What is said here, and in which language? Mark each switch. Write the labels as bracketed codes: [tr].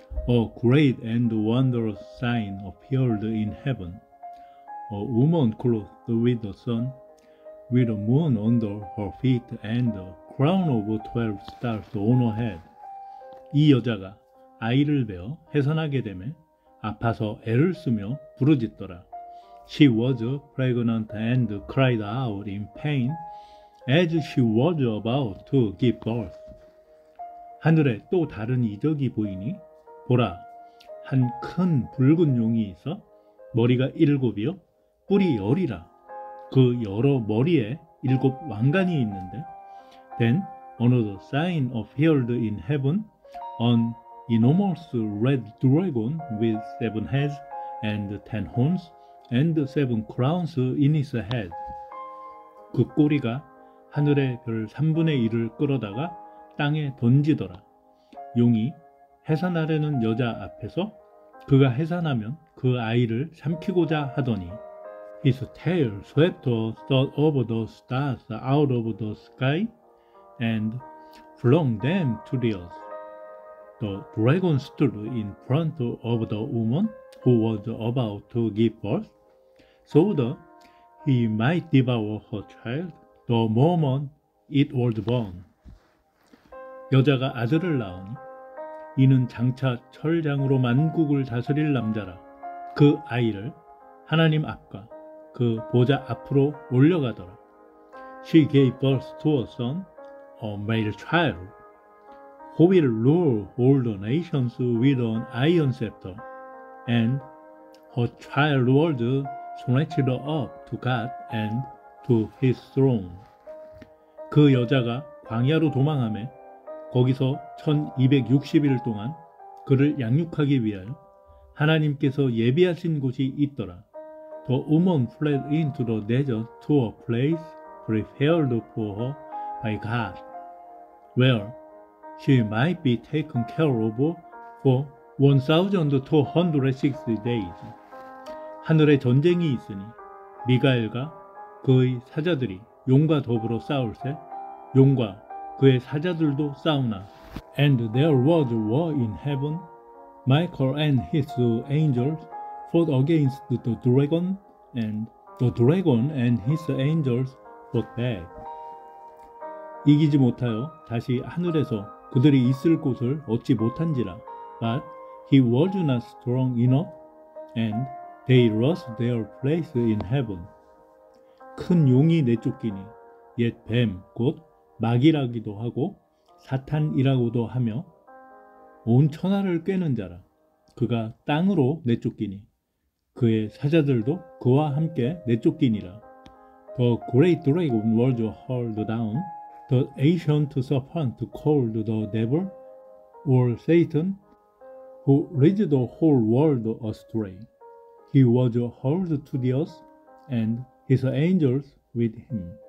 [en] A great and wondrous sign appeared in heaven. A woman clothed with the sun, with a moon under her feet and a crown of 12 stars on her head. [ko] 이 여자가 아이를 베어 해산하게 되매 아파서 애를 쓰며 부르짖더라. [en] She was pregnant and cried out in pain as she was about to give birth. [ko] 하늘에 또 다른 이적이 보이니 보라, 한 큰 붉은 용이 있어 머리가 일곱이요 뿔이 열이라. 그 여러 머리에 일곱 왕관이 있는데 [en] Then another sign appeared in heaven. An enormous red dragon with seven heads and ten horns and seven crowns in his head. [ko] 그 꼬리가 하늘의 별 3분의 1을 끌어다가 땅에 던지더라. 용이 해산하려는 여자 앞에서 그가 해산하면 그 아이를 삼키고자 하더니 [en] His tail swept over the stars out of the sky and flung them to the earth. The dragon stood in front of the woman who was about to give birth, so that he might devour her child the moment it was born. [ko] 여자가 아들을 낳으니, 이는 장차 철장으로 만국을 다스릴 남자라. 그 아이를 하나님 앞과 그 보좌 앞으로 올려가더라. [en] She gave birth to a son, a male child. Who will rule all the nations with an iron scepter? And her child was snatched up to God and to his throne. [ko] 그 여자가 광야로 도망하매 거기서 1260일 동안 그를 양육하기 위하여 하나님께서 예비하신 곳이 있더라. [en] The woman fled into the desert to a place prepared for her by God, where she might be taken care of for 1,260 days. [ko] 하늘에 전쟁이 있으니 미가엘과 그의 사자들이 용과 더불어 싸울세 용과 그의 사자들도 싸우나 [en] And there was war in heaven. Michael and his angels fought against the dragon and the dragon and his angels fought back. [ko] 이기지 못하여 다시 하늘에서 그들이 있을 곳을 얻지 못한지라. [en] But he was not strong enough, and they lost their place in heaven. [ko] 큰 용이 내쫓기니, 옛 뱀, 곧 마귀라기도 하고 사탄이라고도 하며 온 천하를 꿰는 자라. 그가 땅으로 내쫓기니, 그의 사자들도 그와 함께 내쫓기니라. [en] The great dragon was hurled down. The ancient serpent called the devil or Satan, who led the whole world astray. He was hurled to the earth and his angels with him.